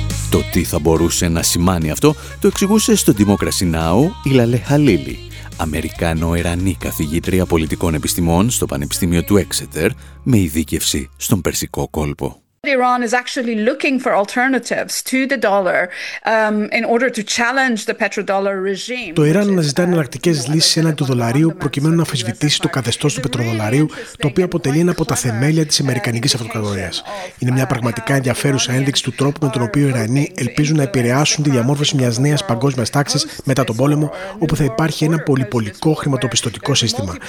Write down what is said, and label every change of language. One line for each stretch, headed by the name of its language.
Greek: Το τι θα μπορούσε να σημάνει αυτό το εξηγούσε στο Democracy Now η Λαλέ Χαλίλη, Αμερικάνο-Ιρανή καθηγήτρια πολιτικών επιστημών στο Πανεπιστήμιο του Έξετερ με ειδίκευση στον Περσικό κόλπο.
English: Iran is actually looking for alternatives to the dollar in order to challenge the petrodollar regime.
Greek: Το Ιράν αναζητά εναλλακτικές λύσεις έναντι του δολαρίου προκειμένου να αμφισβητήσει το καθεστώς του πετροδολαρίου, το οποίο αποτελεί ένα από τα θεμέλια της Αμερικανικής Αυτοκρατορίας. Είναι μια πραγματικά ενδιαφέρουσα ένδειξη του τρόπου με τον οποίο οι Ιρανοί ελπίζουν να επηρεάσουν τη διαμόρφωση μιας νέας παγκόσμιας τάξης μετά τον πόλεμο, όπου θα υπάρχει ένα πολυπολικό χρηματοπιστωτικό σύστημα.